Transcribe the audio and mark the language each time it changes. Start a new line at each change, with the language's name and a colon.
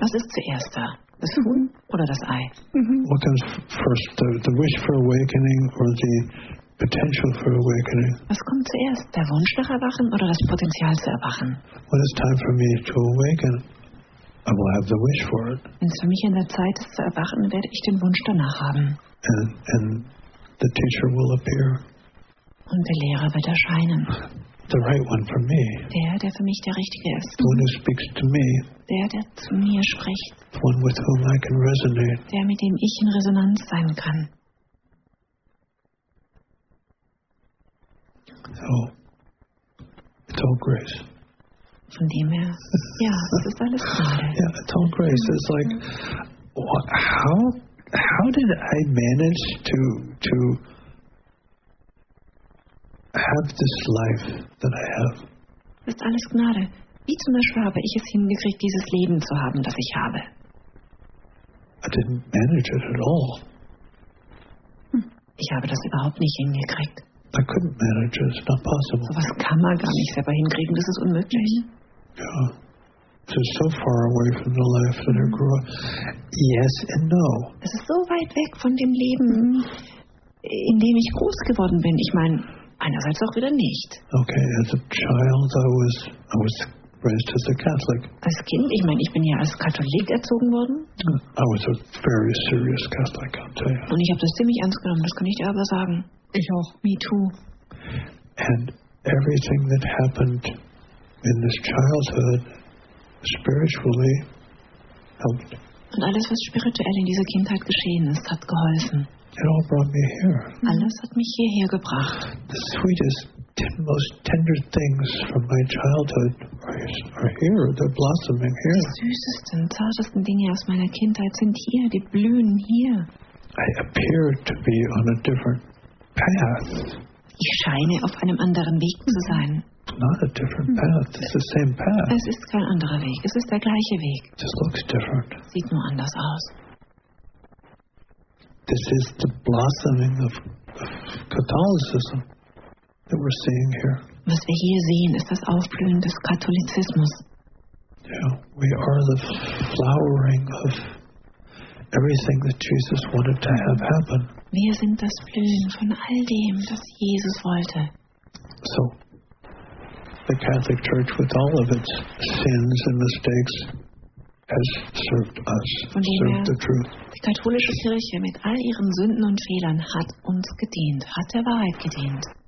German: Was ist zuerst da? Das Huhn oder das Ei? Mm-hmm.
English: What comes first, the wish for awakening or the potential for awakening?
German: Was kommt zuerst, der Wunsch nach Erwachen oder das Potenzial zu erwachen?
English: When it's time for me to awaken, I will have the wish for it.
German: Wenn es für mich an der Zeit ist zu erwachen, werde ich den Wunsch danach haben.
English: And the teacher will appear.
German: Und der Lehrer wird erscheinen.
English: The right one for me.
German: Der für mich der Richtige ist.
English: The one who speaks to me.
German: Der zu mir spricht.
English: The one with whom I can resonate.
German: Der mit dem ich in Resonanz sein kann.
English: So, it's all grace.
German: Von dem her, ja, es ist alles Gnade.
English: Yeah, it's all grace. It's like, how did I manage to have this life that I have?
German: Das ist alles Gnade. Wie zum Beispiel habe ich es hingekriegt, dieses Leben zu haben, das ich habe?
English: I didn't manage it at all.
German: Ich habe das überhaupt nicht hingekriegt.
English: I couldn't manage it. It's not possible.
German: So was kann man gar nicht selber hinkriegen. Das ist unmöglich.
English: Yeah. So, so far away from the life that I grew up. Yes and no.
German: Es ist so weit weg von dem Leben, in dem ich groß geworden bin. Ich meine, einerseits auch wieder nicht.
English: Okay, as a child I was raised as a Catholic.
German: Als Kind, ich meine, ich bin ja als Katholik erzogen worden.
English: I was a very serious Catholic, I'll tell you.
German: Und ich habe das ziemlich ernst genommen, das kann ich dir aber sagen. Ich auch,
English: me too. And everything that happened in this childhood spiritually helped.
German: Und alles, was spirituell in dieser Kindheit geschehen ist, hat geholfen.
English: It all brought me here.
German: Alles hat mich hierher gebracht.
English: The sweetest, most tender things from my childhood are here. They're blossoming here.
German: Die süßesten, zartesten Dinge aus meiner Kindheit sind hier. Die blühen hier.
English: I appear to be on a different path.
German: Ich scheine auf einem anderen Weg zu sein.
English: Not a different path. It's the same path.
German: Es ist kein anderer Weg. Es ist der gleiche Weg.
English: It just looks different.
German: Sieht nur anders aus.
English: This is the blossoming of Catholicism that we're seeing here.
German: Was wir hier sehen, ist das Aufblühen des Katholizismus.
English: Yeah, we are the flowering of everything that Jesus wanted to have happen.
German: Wir sind das Blühen von all dem, das Jesus wollte.
English: So, the Catholic Church, with all of its sins and mistakes, has served us, served the truth.
German: Die katholische Kirche mit all ihren Sünden und Fehlern hat uns gedient, hat der Wahrheit gedient.